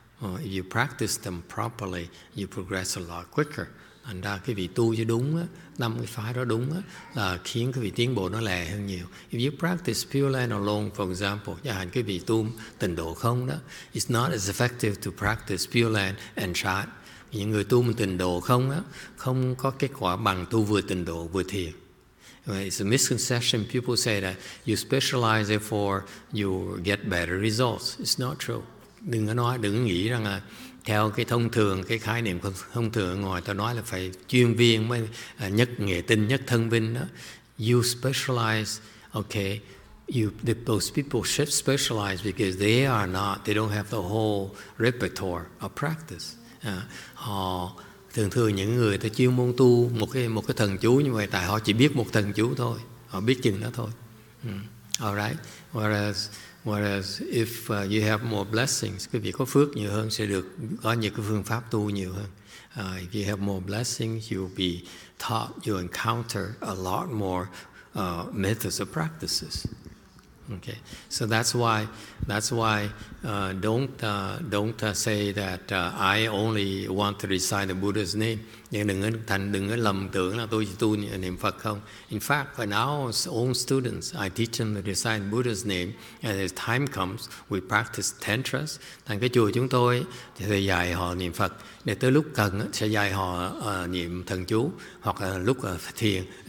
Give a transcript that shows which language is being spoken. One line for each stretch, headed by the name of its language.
English: If you practice them properly, you progress a lot quicker.
Vietnamese: Thành ra cái vị tu cho đúng á, năm cái phái đó đúng á, là khiến cái vị tiến bộ nó lẹ hơn nhiều.
English: If you practice Pure Land alone, for example,
Vietnamese: chẳng hạn cái vị tu tịnh độ không đó,
English: it's not as effective to practice Pure Land and Chan.
Vietnamese: Những người tu tịnh độ không á, không có kết quả bằng tu vừa tịnh độ vừa thiền.
English: It's a misconception. People say that you specialize for you get better results. It's not true.
Vietnamese: Đừng nghĩ rằng là theo cái thông thường, cái khái niệm thông thường ngoài tôi nói là phải chuyên viên mới nhất nghệ tinh, nhất thân vinh đó.
English: You specialize, okay, those people should specialize because they don't have the whole repertoire of practice.
Vietnamese: Họ thường thường những người ta chuyên môn tu một cái thần chú như vậy, tại họ chỉ biết một thần chú thôi, họ biết chừng đó thôi.
English: All right, Whereas if you have more blessings,
Vietnamese: quý vị có phước nhiều hơn sẽ được có những cái phương pháp tu nhiều hơn.
English: If you have more blessings, you'll be taught, you'll encounter a lot more methods of practices. Okay, so that's why don't say that I only want to recite the Buddha's name.
Vietnamese: Nhưng đừng có lầm tưởng là tôi chỉ tu niệm Phật không.
English: In fact, for now, our own students, I teach them to recite Buddha's name, and as time comes, we practice tantras.
Vietnamese: Thành cái chùa chúng tôi thì dạy họ niệm Phật, để tới lúc cần sẽ dạy họ niệm thần chú, hoặc là lúc thiền.